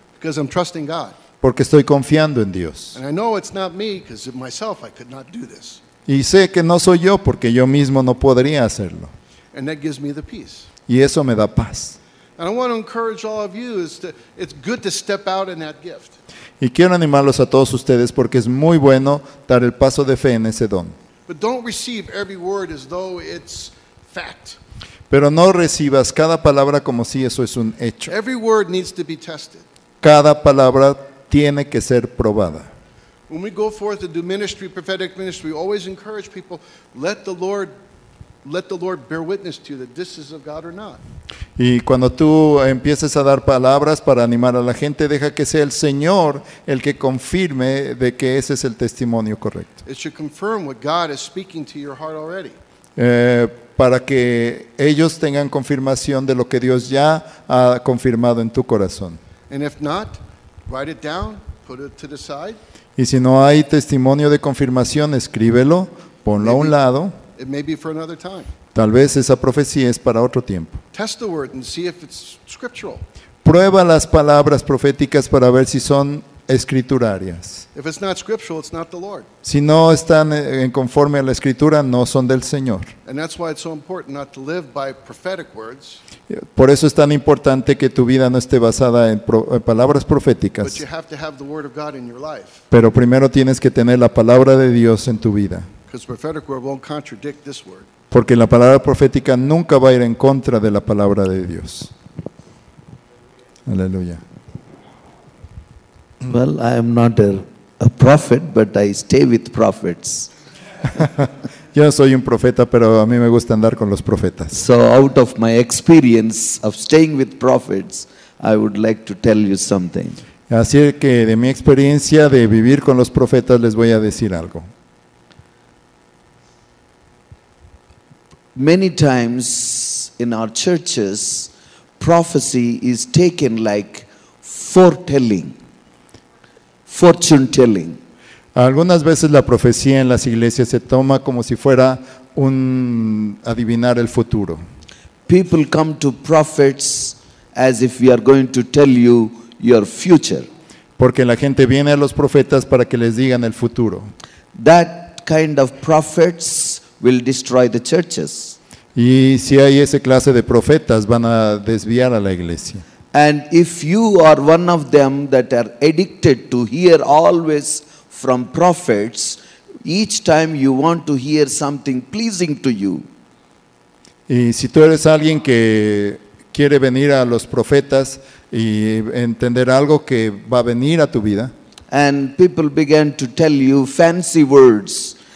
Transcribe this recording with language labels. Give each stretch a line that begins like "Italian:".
English: Because I'm trusting God.
Spanish: Porque estoy confiando en Dios.
English: And I know it's not me, because of myself I could not do this.
Spanish: Y sé que no soy yo, porque yo mismo no podría hacerlo.
English: And that gives me the peace.
Spanish: Y eso me da paz.
English: And I want to encourage all of you, it's good to step out in that gift.
Spanish: Y quiero animarlos a todos ustedes porque es muy bueno dar el paso de fe en ese don.
English: But don't receive every word as though it's fact.
Spanish: Pero no recibas cada palabra como si eso es un hecho.
English: Every word needs to be tested.
Spanish: Cada palabra tiene que ser probada.
English: When we go forth to do ministry, prophetic ministry, we always encourage people, let the Lord bear witness to you that this is of God or not.
Spanish: Y cuando tú empieces a dar palabras para animar a la gente, deja que sea el Señor el que confirme de que ese es el testimonio correcto.
English: It should confirm what God is speaking to your heart already.
Spanish: Para que ellos tengan confirmación de lo que Dios ya ha confirmado en tu corazón.
English: And if not, write it down, put it to the side.
Spanish: Y si no hay testimonio de confirmación, escríbelo, ponlo a un lado.
English: It may be for another time.
Spanish: Tal vez esa profecía es para otro tiempo.
English: Test the word and see if it's scriptural.
Spanish: Prueba las palabras proféticas para ver si son escriturarias.
English: If it's not scriptural, it's not the Lord.
Spanish: Si no están en conforme a la escritura, no son del Señor.
English: And that's why it's so important not to live by prophetic words.
Spanish: Por eso es tan importante que tu vida no esté basada en palabras proféticas.
English: But you have to have the word of God in your life.
Spanish: Pero primero tienes que tener la palabra de Dios en tu vida.
English: Because the prophetic word won't contradict this word.
Spanish: Porque la palabra profética nunca va a ir en contra de la palabra de Dios. Aleluya.
English: Well, I am not a prophet, but I stay with prophets.
Spanish: Yo no soy un profeta, pero a mí me gusta andar con los profetas.
English: So out of my experience of staying with prophets, I would like to tell you something.
Spanish: Así que de mi experiencia de vivir con los profetas les voy a decir algo.
English: Many times in our churches, prophecy is taken like foretelling, fortune telling.
Spanish: Algunas veces la profecía en las iglesias se toma como si fuera un adivinar el futuro.
English: People come to prophets as if we are going to tell you your future.
Spanish: Porque la gente viene a los profetas para que les digan el futuro.
English: That kind of prophets will destroy the churches.
Spanish: Y si hay ese clase de profetas van a desviar a la iglesia.
English: And if you are one of them that are addicted to hear always from prophets, each time you want to hear something pleasing to you.
Spanish: Y si tú eres alguien que quiere venir a los profetas y entender algo que va a venir a tu vida.
English: And people began to tell you fancy words.